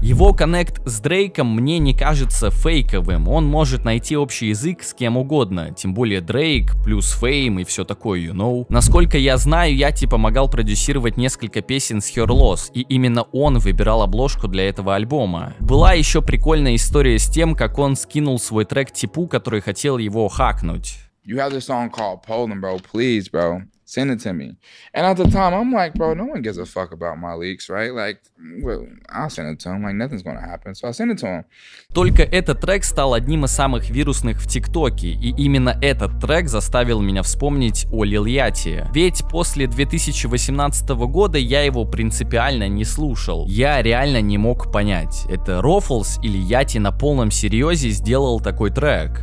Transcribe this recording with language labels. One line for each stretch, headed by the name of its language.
Russian: Его коннект с Дрейком мне не кажется фейковым, он может найти общий язык с кем угодно, тем более Дрейк плюс фейм и все такое,
English: you know.
Russian: Насколько я знаю, я типа помогал продюсировать несколько песен с Her Loss, и именно он выбирал обложку для этого альбома. Была еще прикольная история с тем, как он скинул свой трек типу, который хотел его хакнуть.
English: You have this song called Poland, bro. Please, bro. Send it to me. And at the time, I'm like, bro, no one gives a fuck about my leaks, right? Like, well, I'll send it to him. Like, nothing's gonna happen. So I'll send it to him.
Russian: Только этот трек стал одним из самых вирусных в ТикТоке, и именно этот трек заставил меня вспомнить о Lil Yachty. Ведь после 2018 года я его принципиально не слушал. Я реально не мог понять, это Рофлс или Yachty на полном серьезе сделал такой трек.